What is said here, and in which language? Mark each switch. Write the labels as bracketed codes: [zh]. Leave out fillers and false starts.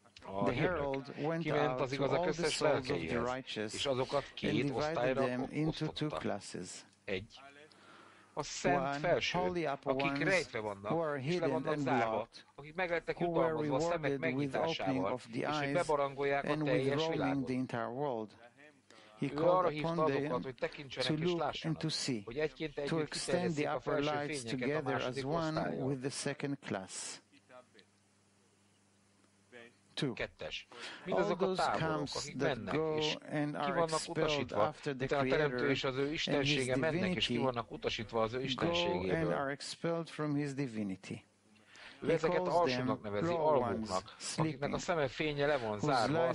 [hu] A hírnök kiment az igazak összes lelkeihez, és azokat két osztályra osztotta. Egy, a szent felső, akik rejtve vannak, és le vannak zárva, akik meg lettek jutalmazva a szemek megnyitásával, és így bebarangolják a teljes világot. [en] He called upon them to look and to see, to extend the upper lights together as one with the second class. Two. All those camps that go and are expelled after the Creator and His divinity go and are expelled from His divinity. [hu] Ő ezeket alsónak nevezi, alvóknak, akiknek a szeme fénye le van zárva a